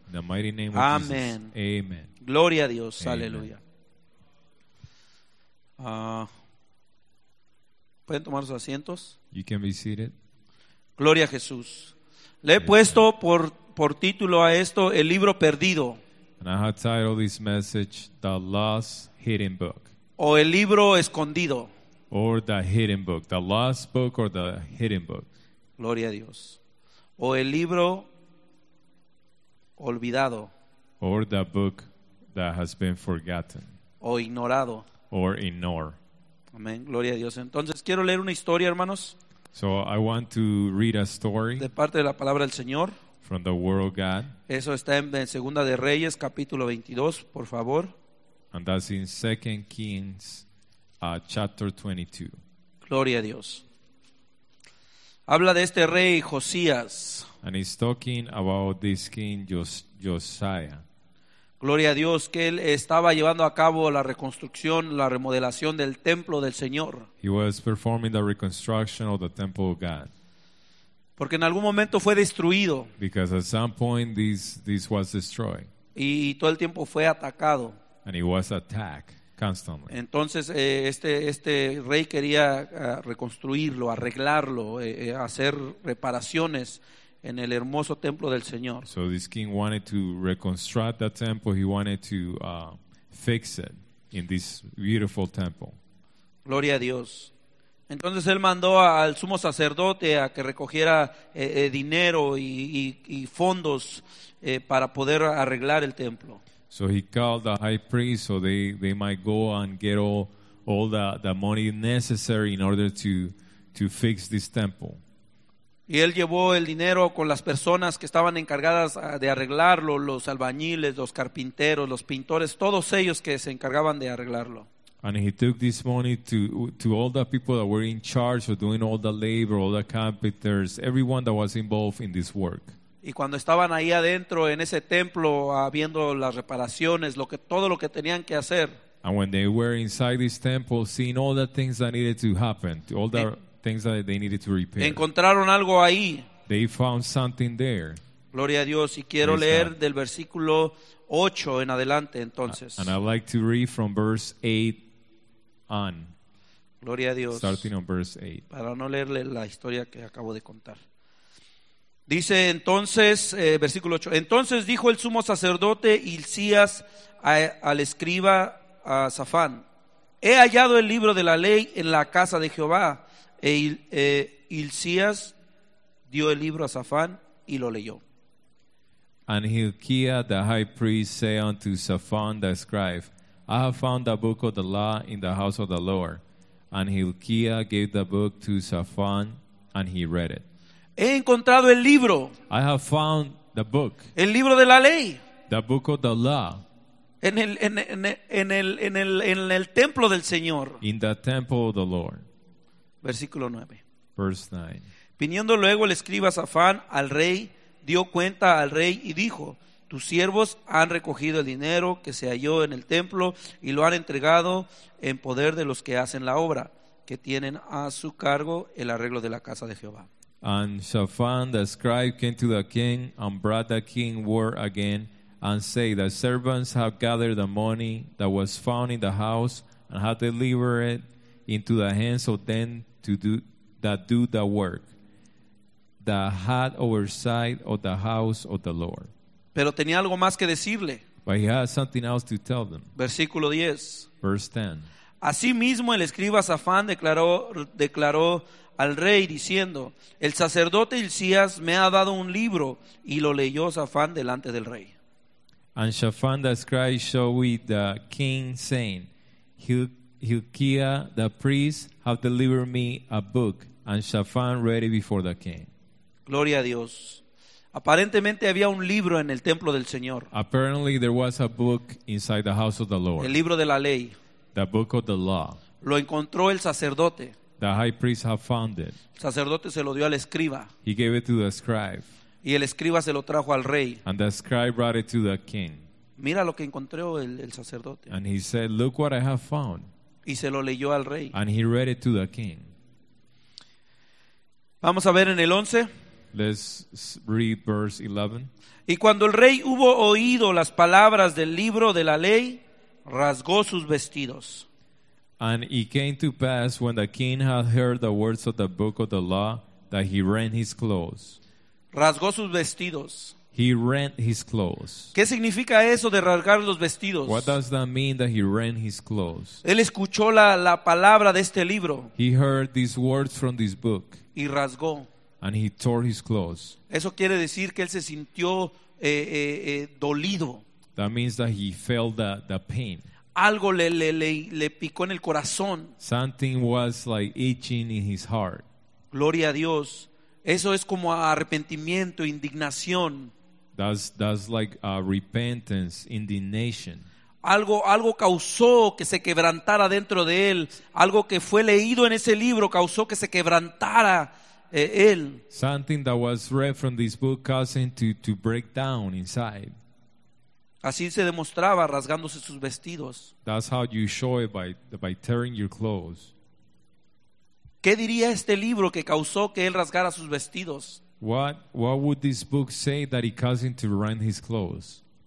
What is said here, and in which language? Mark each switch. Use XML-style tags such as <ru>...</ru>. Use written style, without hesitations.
<es>Amén. Gloria a Dios. Amen. Aleluya. ¿Pueden tomar sus asientos?</es> <en>You can be seated.</en> <es>Gloria a Jesús. Le he puesto por título a esto, el libro perdido.</es> <en>And I have titled this message, The Lost Hidden Book.</en> <es>O el libro escondido.</es> <en>Or the hidden book. The lost book or the hidden book.</en> <es>Gloria a Dios. O el libro olvidado.</es> <en>Or the book that has been forgotten.</en> <es>O ignorado.</es> <en>Or ignore.</en> <es>Amén. Gloria a Dios. Entonces, quiero leer una historia, hermanos.</es> <en>So I want to read a story.</en> <es>De parte de la palabra del Señor.</es> <en>From the word of God.</en> <es>Eso está en Segunda de Reyes, capítulo 22, por favor.</es> <en>And that's in 2 Kings, chapter 22.</en> <es>Gloria a Dios. Habla de este rey, Josías.</es> <en>And he's talking about this king, Josiah.</en> <es>Gloria a Dios, que él estaba llevando a cabo la reconstrucción, la remodelación del templo del Señor.</es> <en>He was performing the reconstruction of the temple of God.</en> <es>Porque en algún momento fue destruido.</es> <en>Because at some point this was destroyed.</en> <es>Y todo el tiempo fue atacado.</es> <en>And it was attacked constantly.</en> <es>Entonces este rey quería reconstruirlo, arreglarlo, hacer reparaciones en el hermoso templo del Señor.</es> <en>So this king wanted to reconstruct the temple. He wanted to fix it in this beautiful temple.</en> <es>Gloria a Dios. Entonces él mandó al sumo sacerdote a que recogiera dinero y fondos para poder arreglar el templo.</es> <en>So he called the high priest so they might go and get all the money necessary in order to fix this temple.</en> <es>Y él llevó el dinero con las personas que estaban encargadas de arreglarlo, los albañiles, los carpinteros, los pintores, todos ellos que se encargaban de arreglarlo.</es> <en>And he took this money to all the people that were in charge of doing all the labor, all the carpenters, everyone that was involved in this work.</en> <es>Y cuando estaban ahí adentro en ese templo, viendo las reparaciones, todo lo que tenían que hacer.</es> <en>And when they were inside this temple, seeing all the things that needed to happen, all the things that they needed to repair.</en> <es>Encontraron algo ahí.</es> <en>They found something there.</en> <es>Gloria a Dios. Y quiero leer del versículo 8 en adelante, entonces.</es> <en>And I'd like to read from verse 8 on.</en> <es>Gloria a Dios.</es> <en>Starting on verse 8.</en> <es>Para no leerle la historia que acabo de contar. Dice entonces, versículo 8. Entonces dijo el sumo sacerdote Hilcías al escriba a Safán: he hallado el libro de la ley en la casa de Jehová. Hilcías dio el libro a Safán y lo leyó.</es> <en>And Hilkiah the high priest said unto Safán the scribe, I have found the book of the law in the house of the Lord. And Hilkiah gave the book to Safán, and he read it.</en> <es>He encontrado el libro.</es> <en>I have found the book.</en> <es>El libro de la ley.</es> <en>The book of the law.</en> <es>En el templo del Señor.</es> <en>In the temple of the Lord.</en> <es>Versículo 9.</es> <en>Verse 9.</en> <es>Viniendo luego el escriba Safán al rey, dio cuenta al rey y dijo: tus siervos han recogido el dinero que se halló en el templo y lo han entregado en poder de los que hacen la obra, que tienen a su cargo el arreglo de la casa de Jehová.</es> <en>And Safán the scribe came to the king and brought the king word again and said, the servants have gathered the money that was found in the house and have delivered it into the hands of them that do the work, that had oversight of the house of the Lord.</en> <es>Pero tenía algo más que decirle.</es> <en>But he had something else to tell them.</en> <es>Versículo 10.</es> <en>Verse 10.</en> <es>Asimismo el escriba Safán declaró al rey diciendo: el sacerdote Hilcías me ha dado un libro, y lo leyó Safán delante del rey.</es> <en>And Safán the scribe showed the king, saying, Hilkiah the priest have delivered me a book, and Safán read it before the king.</en> <es>Gloria a Dios. Aparentemente había un libro en el templo del Señor.</es> <en>Apparently there was a book inside the house of the Lord.</en> <es>El libro de la ley.</es> <en>The book of the law.</en> <es>Lo encontró el sacerdote.</es> <en>The high priest had found it.</en> <es>El sacerdote se lo dio al escriba.</es> <en>He gave it to the scribe.</en> <es>Y el escriba se lo trajo al rey.</es> <en>And the scribe brought it to the king.</en> <es>Mira lo que encontró el sacerdote.</es> <en>And he said, look what I have found.</en> <es>Y se lo leyó al rey.</es> <en>And he read it to the king.</en> <es>Vamos a ver en el 11.</es> <en>Let's read verse 11.</en> <es>Y cuando el rey hubo oído las palabras del libro de la ley, rasgó sus vestidos.</es> <en>And it came to pass, when the king had heard the words of the book of the law, that he rent his clothes.</en> <es>Rasgó sus vestidos.</es> <en>He rent his clothes.</en> <es>¿Qué significa eso de rasgar los vestidos?</es> <en>What does that mean, that he rent his clothes?</en> <es>Él escuchó la palabra de este libro.</es> <en>He heard these words from this book.</en> <es>Y rasgó.</es> <en>And he tore his clothes.</en> <es>Eso quiere decir que él se sintió dolido.</es> <en>That means that he felt the pain.</en> <es>Algo le picó en el corazón.</es> <en>Something was like itching in his heart.</en> <es>Gloria a Dios. Eso es como arrepentimiento, indignación.</es> <en>That's like a repentance, indignation.</en> <es>Algo causó que se quebrantara dentro de él. Algo que fue leído en ese libro causó que se quebrantara él.</es> <en>Something that was read from this book caused him to break down inside.</en> <es>Así se demostraba, rasgándose sus vestidos.</es> <en>That's how you show it, by tearing your clothes.</en> <es>¿Qué diría este libro que causó que él rasgara sus vestidos?</es> <en>What would this book say that it caused him to rend his clothes?</en>